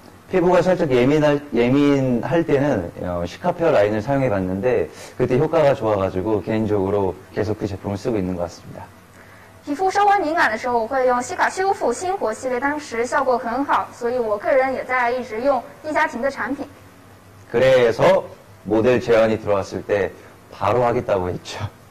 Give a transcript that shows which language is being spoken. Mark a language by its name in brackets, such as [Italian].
[Korean] 피부가 살짝 예민할 때는 시카페어 라인을 사용해 봤는데 그때 효과가 좋아가지고 개인적으로 계속 그 제품을 쓰고 있는 것 같습니다. [Chinese] 皮肤稍微敏感的时候我会用西卡修复星火系列，当时效果很好，所以我个人也在一直用地家庭的产品。 [Korean] 그래서 모델 제안이 들어왔을 때 바로 하겠다고 했죠.